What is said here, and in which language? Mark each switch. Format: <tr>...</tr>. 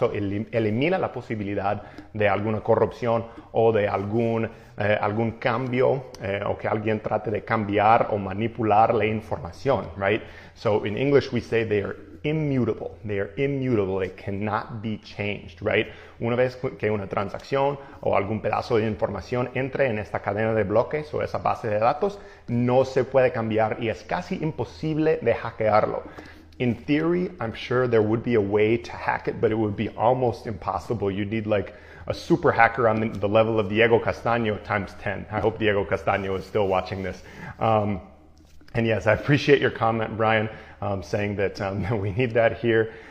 <es>So elimina la posibilidad de alguna corrupción o de algún cambio o que alguien trate de cambiar o manipular la información, right?</es> <en>So in English we say they are immutable. They are immutable. They cannot be changed, right?</en> <es>Una vez que una transacción o algún pedazo de información entre en esta cadena de bloques o esa base de datos, no se puede cambiar y es casi imposible de hackearlo.</es> <en>In theory, I'm sure there would be a way to hack it, but it would be almost impossible. You'd need like a super hacker on the level of Diego Castaño times 10. I hope Diego Castaño is still watching this. And yes, I appreciate your comment, Brian, saying that we need that here.</en>